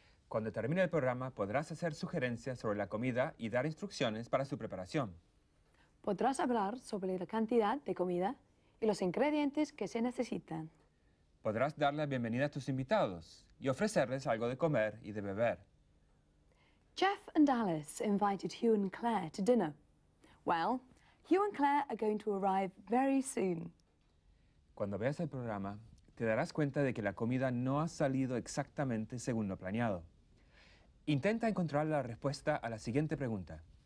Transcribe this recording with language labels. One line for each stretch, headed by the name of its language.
Spanish: Cuando termine el programa, podrás hacer sugerencias sobre la comida y dar instrucciones para su preparación. Podrás hablar sobre la cantidad de comida y los ingredientes que se necesitan. Podrás dar la bienvenida a tus invitados y ofrecerles algo de comer y de beber.
English: Jeff and Alice invited Hugh and Claire to dinner. Well, Hugh and Claire are going to arrive very soon.
Spanish: Cuando veas el programa, te darás cuenta de que la comida no ha salido exactamente según lo planeado. Intenta encontrar la respuesta a la siguiente pregunta.